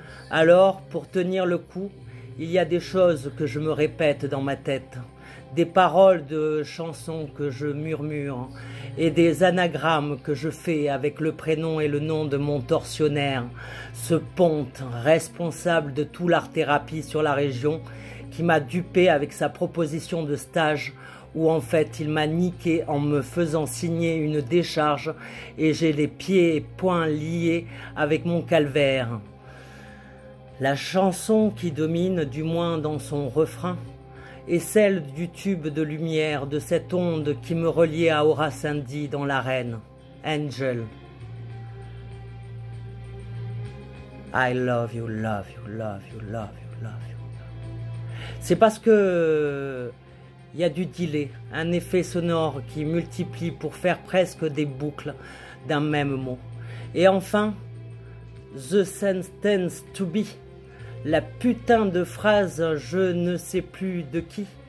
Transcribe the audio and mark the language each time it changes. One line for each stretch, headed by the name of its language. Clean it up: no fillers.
French: Alors, pour tenir le coup, il y a des choses que je me répète dans ma tête, des paroles de chansons que je murmure, et des anagrammes que je fais avec le prénom et le nom de mon tortionnaire, ce ponte responsable de tout l'art-thérapie sur la région, qui m'a dupé avec sa proposition de stage, où en fait il m'a niqué en me faisant signer une décharge et j'ai les pieds et poings liés avec mon calvaire. La chanson qui domine, du moins dans son refrain, est celle du tube de lumière de cette onde qui me reliait à Aura Sandy dans l'arène, Angel.
English: I love you, love you, love you, love you, love you.
French: C'est parce que il y a du delay, un effet sonore qui multiplie pour faire presque des boucles d'un même mot. Et enfin,
English: the sentence to be,
French: la putain de phrase je ne sais plus de qui.